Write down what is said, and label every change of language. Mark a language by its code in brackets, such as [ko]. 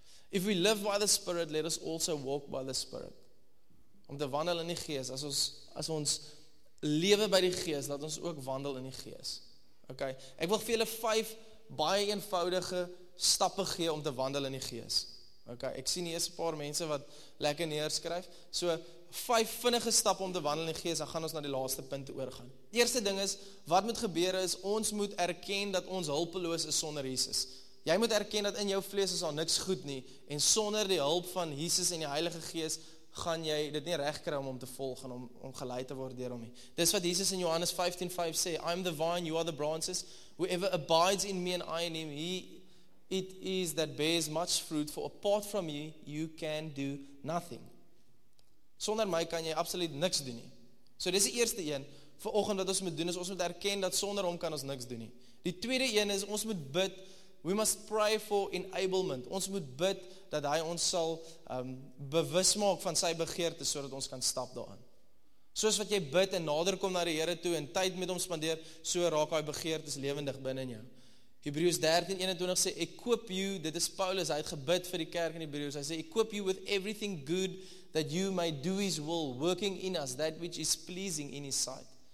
[en] If we live by the Spirit, let us also walk by the Spirit. [af] Om te wandel in die Gees, as ons lewe by die Gees, laat ons ook wandel in die Gees. Ok, ek wil vir julle 5 baie eenvoudige stappe gee om te wandel in die Gees. Ok, ek sien hier is 'n paar mense wat lekker neerskryf, so 5 vinnige stappe om te wandel in die Gees, dan gaan ons na die laaste punt oorgaan. Eerste ding is, wat moet gebeur is, ons moet erken dat ons hulpeloos is sonder Jesus. Jy moet erken dat in jou vlees is al niks goed nie, en sonder die hulp van Jesus en die Heilige Gees, gaan jy dit nie recht kry om te volg en om geleid te word deur hom nie. Dis wat Jesus in Johannes 15:5 sê, [en] I am the vine, you are the branches, whoever abides in me and I in him, it is that bears much fruit, for apart from you, you can do nothing. [af] Sonder my kan jy absoluut niks doen nie. So dis die eerste een, vir oggend wat ons moet doen, is ons moet erken dat sonder hom kan ons niks doen nie. Die tweede een is, ons moet bid, [en] we must pray for enablement. [af] Ons moet bid, dat hy ons sal bewus maak van sy begeerte, so dat ons kan stap daarin. Soos wat jy bid en nader kom na die Here toe, en tyd met hom spandeer, so raak hy begeerte lewendig binnen jou. Hebreus 13:21 sê, ek koop jou, dit is Paulus, hy het gebid vir die kerk in Hebreus, hy sê, ek koop jou [en] with everything good, that you may do his will, working in us, that which is pleasing in his sight.